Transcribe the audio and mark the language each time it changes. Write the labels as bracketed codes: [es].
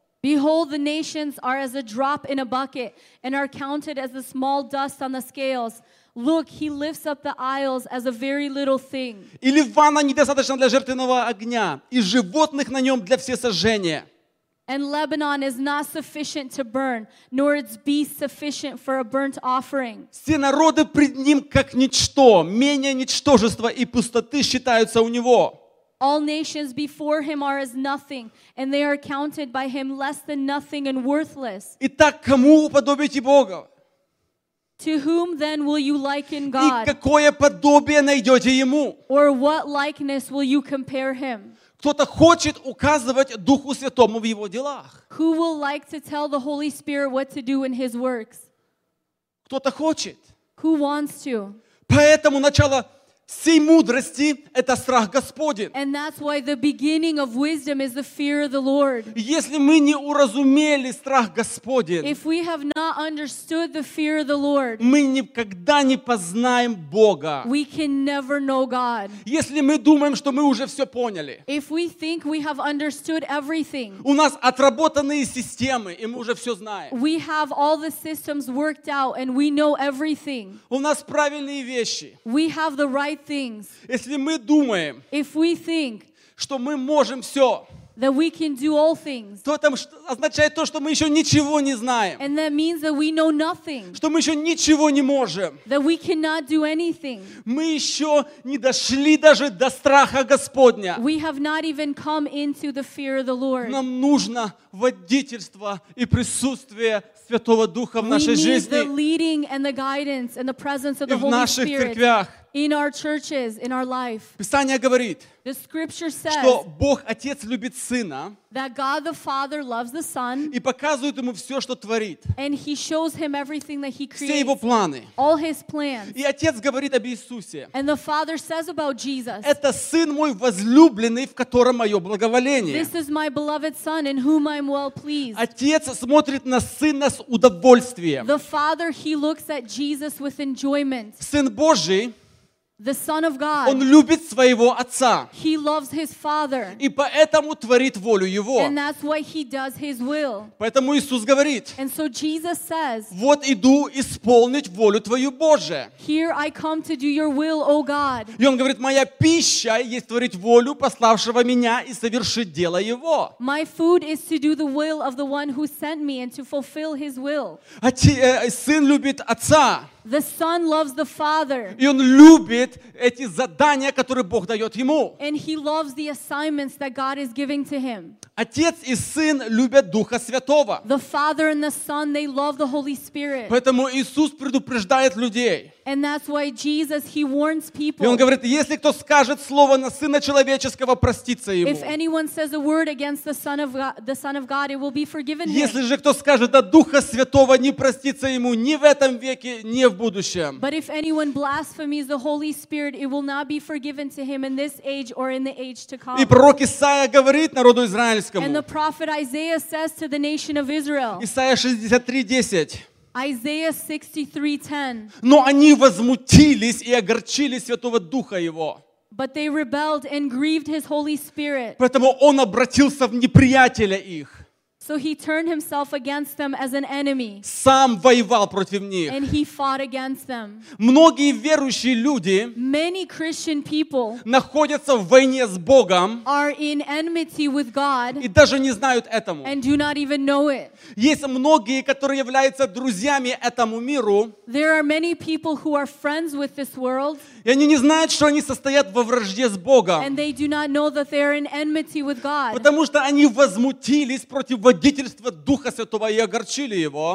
[en] Behold, the nations are as a drop in a bucket and are counted as the small dust on the scales. Look, he lifts up the isles as a very little thing. [ru] Или ванна недостаточна для жертвенного огня и животных на нем для всесожжения. [en] And Lebanon is not sufficient to burn, nor its beasts sufficient for a burnt offering. [ru] Все народы пред ним как ничто, менее ничтожества и пустоты считаются у него. [en] All nations before him are as nothing, and they are counted by him less than nothing and worthless. [ru] Итак, кому уподобите Бога? [en] To whom then will you liken God? [ru] И какое подобие найдете ему? [en] Or what likeness will you compare him? [ru] Кто-то хочет указывать Духу Святому в его делах. [en] Who will like to tell the Holy Spirit what to do in his works? [ru] Кто-то хочет. [en] Who wants to? [ru] Поэтому начало всей мудрости — это страх Господень. [en] And that's why the beginning of wisdom is the fear of the Lord. [ru] Если мы не уразумели страх Господень, [en] if we have not understood the fear of the Lord, [ru] мы никогда не познаем Бога. [en] We can never know God. [ru] Если мы думаем, что мы уже все поняли, [en] if we think we have understood everything, [ru] у нас отработанные системы, и мы уже все знаем. [en] We have all the systems worked out, and we know everything. [ru] У нас правильные вещи. [en] We have the right things. [ru] Если мы думаем, [en] if we think, [ru] что мы можем все, [en] That we can do all things. [ru] То там означает то, что мы еще ничего не знаем. [en] And that means that we know nothing. [ru] Что мы еще ничего не можем. [en] That we cannot do anything. [ru] Мы еще не дошли даже до страха Господня. [en] We have not even come into the fear of the Lord. [ru] Нам нужно водительство и присутствие Святого Духа в нашей жизни. [en] We need the leading and the guidance and the presence of the Holy Spirit. [ru] И в наших церквях. [en] In our churches, in our life. [ru] Писание говорит, [en] the scripture says, [ru] что Бог Отец любит Сына, [en] that God the Father loves the Son, [ru] и показывает ему все, что творит, [en] and he shows him everything that he creates, [ru] все его планы, [en] all his plans. [ru] И Отец говорит об Иисусе, [en] and the Father says about Jesus, [ru] это Сын мой возлюбленный, в котором мое благоволение. [en] This is my beloved Son, in whom I'm well pleased. [ru] Отец смотрит на Сына с удовольствием. [en] The Father, he looks at Jesus with enjoyment. [ru] Сын Божий, [en] the Son of God. [ru] Он любит своего отца. [en] He loves his father. [ru] И поэтому творит волю его. [en] And that's why he does his will. [ru] Поэтому Иисус говорит. [en] And so Jesus says. [ru] Вот иду исполнить волю твою, Боже. [en] Here I come to do your will, O God. [ru] И он говорит, моя пища есть творить волю пославшего меня и совершить дело его. [en] My food is to do the will of the one who sent me and to fulfill his will. [ru] Сын любит отца. [en] The Son loves the Father. [ru] И он любит эти задания, которые Бог дает ему. [en] And he loves the assignments that God is giving to him. [ru] Отец и Сын любят Духа Святого. [en] The Father and the Son, they love the Holy Spirit. [ru] Поэтому Иисус предупреждает людей. [en] And that's why Jesus, he warns people. [ru] И он говорит, если кто скажет слово на Сына Человеческого, простится ему. [en] If anyone says a word against the Son of God, it will be forgiven him. [ru] Если же кто скажет на Духа Святого, не простится ему ни в этом веке, ни в будущем. [en] But if anyone blasphemes the Holy Spirit, it will not be forgiven to him in this age or in the age to come. [ru] И пророк Исаия говорит народу израильскому. [en] And the prophet Isaiah says to the nation of Israel. [ru] Исаия 63:10. [en] Isaiah 63:10. [ru] Но они возмутились и огорчили Святого Духа Его. [en] But they rebelled and grieved His Holy Spirit. [ru] Поэтому Он обратился в неприятеля их. [en] So He turned Himself against them as an enemy. [ru] Сам воевал против них. [en] And He fought against them. [ru] Многие верующие люди, [en] many Christian people, [ru] находятся в войне с Богом, [en] are in enmity with God, [ru] и даже не знают этому. [en] And do not even know it. [ru] Есть многие, которые являются друзьями этому миру. [en] There are many people who are friends with this world. [ru] И они не знают, что они состоят во вражде с Богом. [en] And they do not know that they are in enmity with God. [ru] Потому что они возмутились против водительства Духа Святого и огорчили его.